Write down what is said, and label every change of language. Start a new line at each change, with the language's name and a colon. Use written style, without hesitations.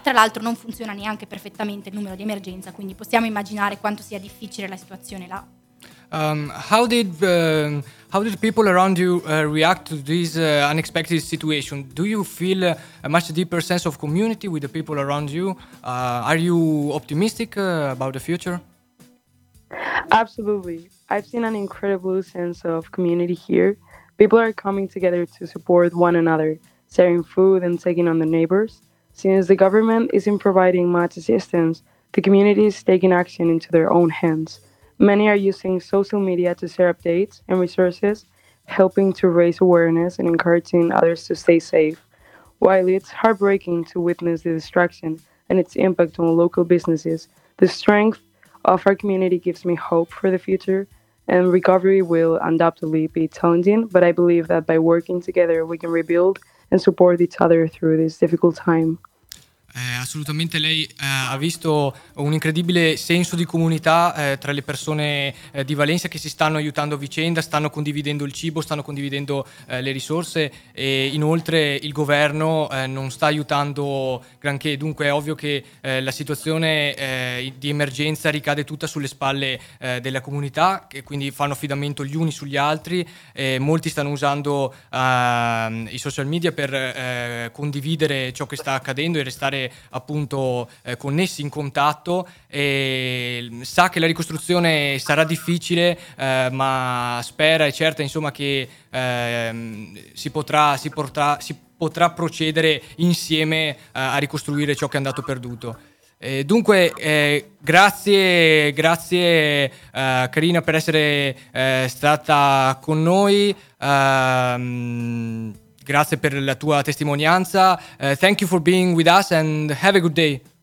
Italian: Tra l'altro non funziona neanche perfettamente il numero di emergenza, quindi possiamo immaginare quanto sia difficile la situazione là.
English: How did people around you react to this unexpected situation? Do you feel a much deeper sense of community with the people around you? Are you optimistic about the future? Absolutely. I've seen an incredible sense of community here. People are coming together to support one another, sharing food and taking on the neighbors. Since the government isn't providing much assistance, the community is taking action into their own hands. Many are using social media to share updates and resources, helping to raise awareness and encouraging others to stay safe. While it's heartbreaking to witness the destruction and its impact on local businesses, the strength of our community gives me hope for the future, and recovery will undoubtedly be challenging, but I believe that by working together we can rebuild and support each other through this difficult time.
Italian: Assolutamente, lei ha visto un incredibile senso di comunità tra le persone di Valencia che si stanno aiutando a vicenda, stanno condividendo il cibo, stanno condividendo le risorse, e inoltre il governo non sta aiutando granché. Dunque è ovvio che la situazione di emergenza ricade tutta sulle spalle della comunità, che quindi fanno affidamento gli uni sugli altri. Molti stanno usando i social media per condividere ciò che sta accadendo e restare appunto connessi, in contatto, e sa che la ricostruzione sarà difficile, ma spera e certa insomma che si potrà procedere insieme a ricostruire ciò che è andato perduto. Dunque grazie Karina per essere stata con noi. Grazie per la tua testimonianza.
English: Thank you for being with us and have a good day.